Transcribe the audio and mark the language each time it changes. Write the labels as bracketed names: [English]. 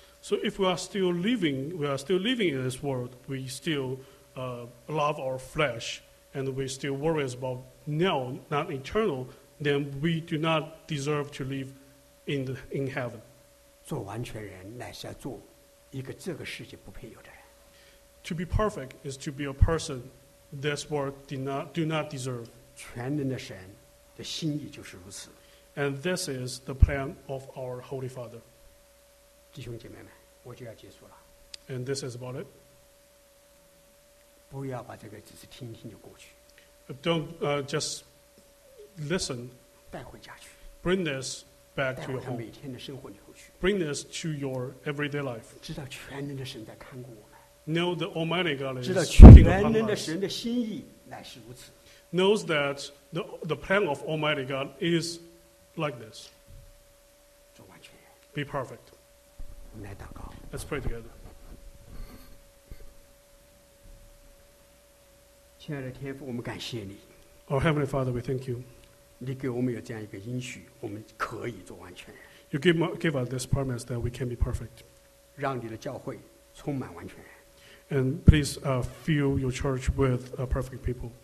[English] ，So if we are still living, we are still living in this world. We still love our flesh, and we still worry about now, not eternal. Then we do not deserve to live in heaven. [Chinese] 做完全人乃是要做一个这个世界不配有的人。 [English] To be perfect is to be a person this world do not deserve. [Chinese] 全能的神的心意就是如此。 [English] And this is the plan of our Holy Father. [Chinese] 弟兄姐妹们，我就要结束了。 [English] And this is about it. [Chinese] 不要把这个只是听听就过去。 [English] Don't just listen. [Chinese] 带回家去。 [English] Bring this back to your home. [Chinese] 每天的生活里头去。 [English] Bring this to your everyday life. [Chinese] 知道全能的神在看顾我们。 [English] Know the Almighty God is. [Chinese] 知道全能的神的心意乃是如此。 [English] Knows that the plan of Almighty God is like this. [Chinese] 做完全人。 [English] Be perfect. [Chinese] 我们来祷告。 [English] Let's pray together. [Chinese] 亲爱的天父，我们感谢你。 [English] Our Heavenly Father, we thank you. [Chinese] 你给我们有这样一个应许，我们可以做完全人。 [English] You give us this promise that we can be perfect. [Chinese] 让你的教会充满完全人。 [English] And please fill your church with perfect people.